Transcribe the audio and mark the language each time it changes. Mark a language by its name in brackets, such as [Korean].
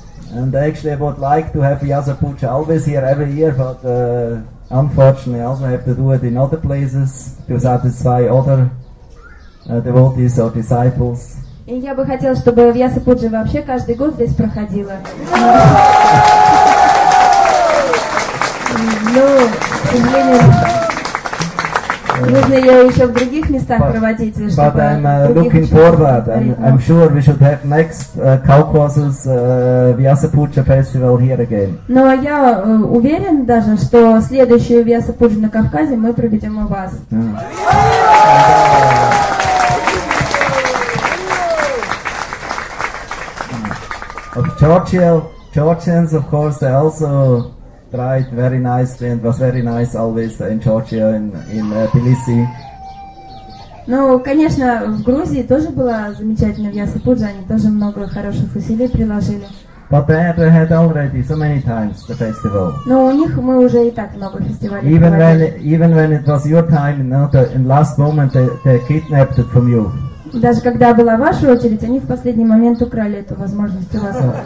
[English] And actually, I would like to have Vyasa Puja always here every year, but unfortunately, I also have to do it in other places to satisfy other devotees or disciples. [Russian] И я бы хотел, чтобы Vyasa Puja вообще каждый год здесь проходила. Но, к сожалению, нужно ее еще в других местах проводить, чтобы других учеников. [English] But I'm looking forward. I'm sure we should have next Caucasus Vyasa Puja festival here again. [Russian] Но я уверен даже, что следующую Vyasa Puja на Кавказе мы проведем у вас. [English] Of Georgians, of course, they also tried very nicely and was very nice always in Georgia in Tbilisi. [Russian] Ну, конечно, в Грузии тоже была замечательная Vyasa Puja, они тоже много хороших усилий приложили. [English] But they had already so many times the festival. [Russian] Но у них мы уже и так много фестивалей. [English] Even when it was your time, you know, in last moment they kidnapped it from you. [Russian] Даже когда была ваша очередь, они в последний момент украли эту возможность у вас.